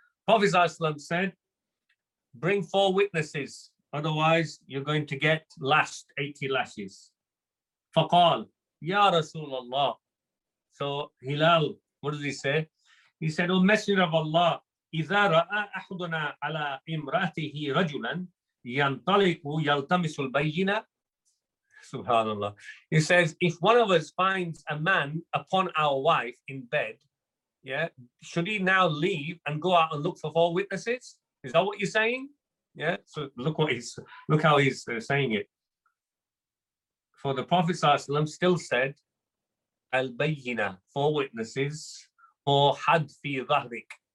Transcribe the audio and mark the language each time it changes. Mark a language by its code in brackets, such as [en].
[en] Prophet ﷺ said, bring four witnesses, otherwise you're going to get lashed, 80 lashes. [ar] Faqal, Ya Rasulullah. [en] So Hilal, what does he say? He said, O Messenger of Allah, [ar] إِذَا رَأَى أَحْدُنَا عَلَىٰ إِمْرَاتِهِ رَجُلًا يَنْطَلِقُ يَلْتَمِسُ الْبَيِّنَةِ. [en] SubhanAllah. He says, if one of us finds a man upon our wife in bed, yeah, should he now leave and go out and look for four witnesses? Is that what you're saying? Yeah, so look how he's saying it. For the Prophet ﷺ still said, Al-Bayyina, four witnesses, or Had fi Dhahrik.